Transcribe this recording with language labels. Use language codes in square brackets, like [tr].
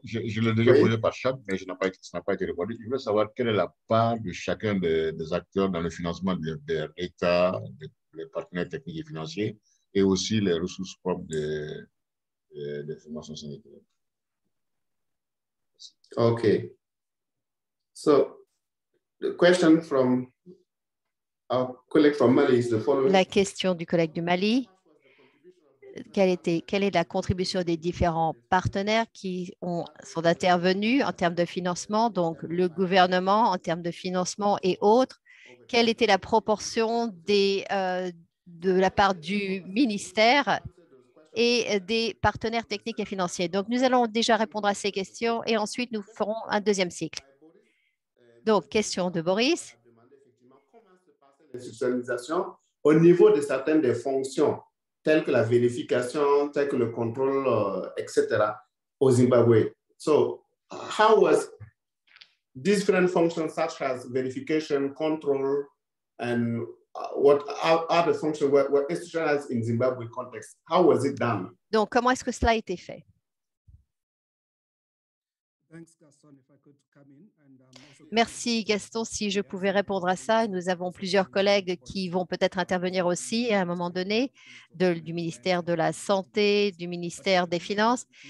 [fr] Je l'ai déjà posée par chat, mais ça n'a pas été répondu. Je veux savoir quelle est la part de chacun des acteurs dans le financement de l'État, des partenaires techniques et financiers, et aussi les ressources propres de formation sanitaire. [en] OK. So, the question from our colleague from Mali is the following. [fr] La question du collègue du Mali. Quelle est la contribution des différents partenaires qui sont intervenus en termes de financement, donc le gouvernement en termes de financement et autres? Quelle était la proportion de la part du ministère et des partenaires techniques et financiers? Donc, nous allons déjà répondre à ces questions et ensuite, nous ferons un deuxième cycle. Donc, question de Boris. Comment se passe l'institutionnalisation au niveau de certaines des fonctions telles que la vérification, telles que le contrôle, etc. au Zimbabwe. [en] So, how was different functions such as verification, control, and what other functions were institutionalized in Zimbabwe context? How was it done? [fr] Donc, comment est-ce que cela a été fait? [en] Thanks, Gaston, if I could come in. [fr] Merci Gaston, si je pouvais répondre à ça. Nous avons plusieurs collègues qui vont peut-être intervenir aussi à un moment donné du ministère de la Santé, du ministère des Finances.